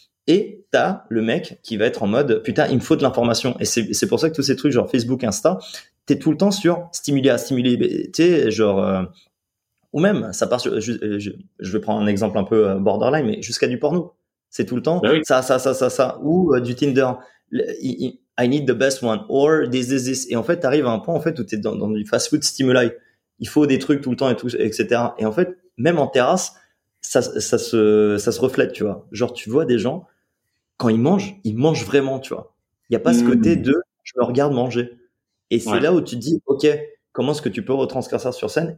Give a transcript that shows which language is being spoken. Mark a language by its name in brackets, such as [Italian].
[French] Et t'as le mec qui va être en mode, putain, il me faut de l'information. Et c'est pour ça que tous ces trucs, genre Facebook, Insta, t'es tout le temps sur stimuler, stimuler, tu sais, genre, ou même, ça part sur, je vais prendre un exemple un peu borderline, mais jusqu'à du porno. C'est tout le temps, ça, ou du Tinder. [English] I need the best one, or this. [French] Et en fait, t'arrives à un point, en fait, où t'es dans du fast food stimuli. Il faut des trucs tout le temps et tout, etc. Et en fait, même en terrasse, ça se reflète, tu vois. Genre, tu vois des gens, quand ils mangent vraiment, tu vois. Il n'y a pas ce côté de je me regarde manger. Et c'est là où tu te dis, OK, comment est-ce que tu peux retranscrire ça sur scène?